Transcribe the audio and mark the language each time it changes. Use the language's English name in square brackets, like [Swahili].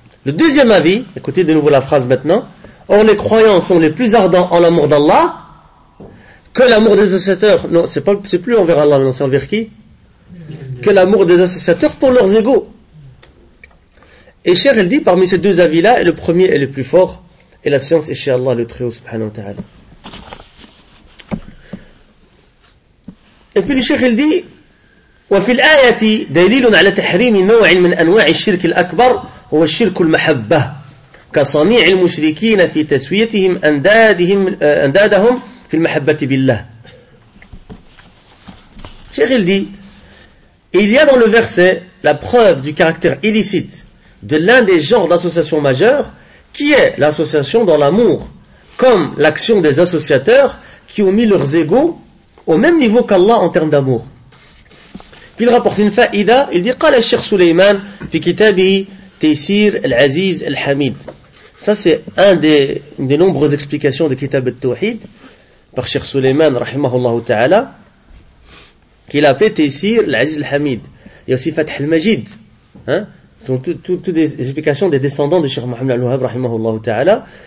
[French] Le deuxième avis, écoutez de nouveau la phrase maintenant, or les croyants sont les plus ardents en l'amour d'Allah que l'amour des associateurs, non, c'est pas, c'est plus envers Allah, mais c'est envers qui ? Que l'amour des associateurs pour leurs égaux. Et cher, elle dit, parmi ces deux avis-là, le premier est le plus fort, et la science est chez Allah, le Très-Haut, subhanahu wa ta'ala. Et puis le cheikh, il dit, [Arabic] وفي الآية دليل على تحريم نوع من أنواع الشرك الأكبر هو الشرك المحبة كصنيع المشركين في تسويتهم أندادهم في المحبة بالله. [French] Cheikh, il dit, il y a dans le verset la preuve du caractère illicite de l'un des genres d'associations majeures, qui est l'association dans l'amour, comme l'action des associateurs qui ont mis leurs égaux au même niveau qu'Allah en termes d'amour. Puis il rapporte une faïda, il dit, [Arabic] قال الشيخ سليمان في كتابه تيسير العزيز الحميد. [French] Ça c'est une des nombreuses explications de Kitab al-Tawhid par Cheikh Suleyman, rahimahullah ta'ala, qu'il a appelé تيسير العزيز الحميد. Il y a aussi Fath al-Majid. Hein? Ce sont toutes des explications des descendants de Cheikh Mohammed al-Wahhab, rahimahullah ta'ala.